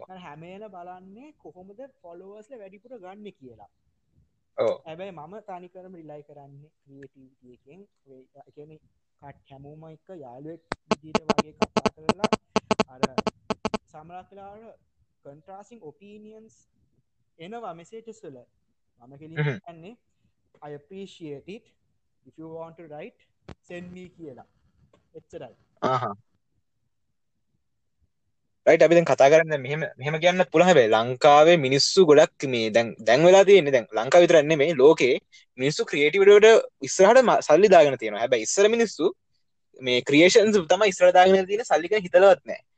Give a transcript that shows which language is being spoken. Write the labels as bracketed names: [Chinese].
[Sinhala] මම හැමේම බලන්නේ කොහොමද ෆලෝවර්ස් ලා වැඩිපුර ගන්න කියලා. ඔව් හැබැයි මම තනි කරම රිලයි කරන්නේ ක්‍රියේටිවිටි එකෙන්. ඒ කියන්නේ කට් හැමෝම එක යාළුවෙක් විදිහට වගේ කතා කරලා අර සමහරක් වෙලාවට කන්ට්‍රාස්ටිං ඔපිනියන්ස් එනවා මෙසේජස් වල. මම කෙලින්ම කියන්නේ [English] I appreciate it if you want to write send me [Sinhala] කියලා. එච්චරයි. ආහා. රයිට් අපි දැන් කතා කරන්නේ දැන් මෙහෙම මෙහෙම කියන්නත් පුළුවන් හැබැයි ලංකාවේ මිනිස්සු ගොඩක් මේ දැන් දැන් වෙලා තියෙන්නේ දැන් ලංකාව විතරක් නෙමෙයි ලෝකේ මිනිස්සු ක්‍රියේටිවිටියට ඉස්සරහට සල්ලි දාගෙන තියෙනවා. හැබැයි ඉස්සර මිනිස්සු මේ ක්‍රියේෂන්ස් තමයි ඉස්සර දාගෙන තියෙන්නේ සල්ලි ගැන හිතලවත් නැහැ.